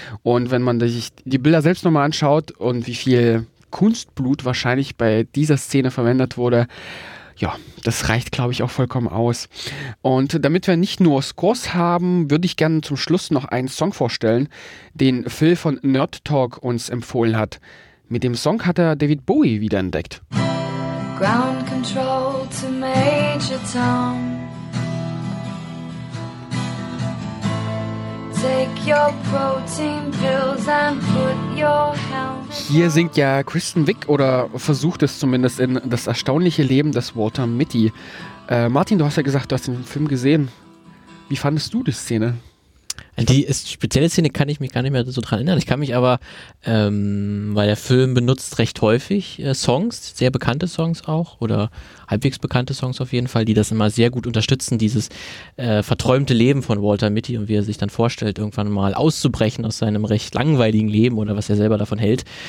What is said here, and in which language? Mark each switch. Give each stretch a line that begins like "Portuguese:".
German: Und wenn man sich die Bilder selbst nochmal anschaut und wie viel Kunstblut wahrscheinlich bei dieser Szene verwendet wurde, ja, das reicht, glaube ich, auch vollkommen aus. Und damit wir nicht nur Scores haben, würde ich gerne zum Schluss noch einen Song vorstellen, den Phil von Nerd Talk uns empfohlen hat. Mit dem Song hat er David Bowie wiederentdeckt.
English: Ground Control to Major Tom. Take your protein pills and put your helmet.
German: Hier singt ja Kristen Wiig oder versucht es zumindest in Das erstaunliche Leben des Walter Mitty. Martin, du hast ja gesagt, du hast den Film gesehen. Wie fandest du die Szene? Die spezielle Szene kann ich mich gar nicht mehr so dran erinnern. Ich kann mich aber, weil der Film benutzt recht häufig Songs, sehr bekannte Songs auch oder halbwegs bekannte Songs auf jeden Fall, die das immer sehr gut unterstützen, dieses verträumte Leben von Walter Mitty und wie er sich dann vorstellt, irgendwann mal auszubrechen aus seinem recht langweiligen Leben oder was er selber davon hält.